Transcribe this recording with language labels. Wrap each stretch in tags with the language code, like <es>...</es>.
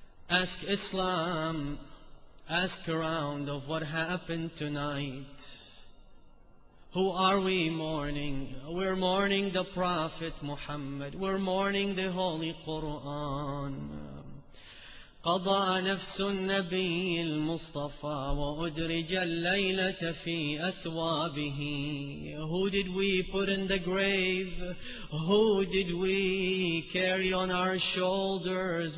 <en>Ask Islam, ask around of what happened tonight. Who are we mourning? We're mourning the Prophet Muhammad. We're mourning the Holy Quran.</en> <ar>قضى نفس النبي المصطفى وأدرج الليلة في أثوابه.</ar> <en>Who did we put in the grave? Who did we carry on our shoulders?</en>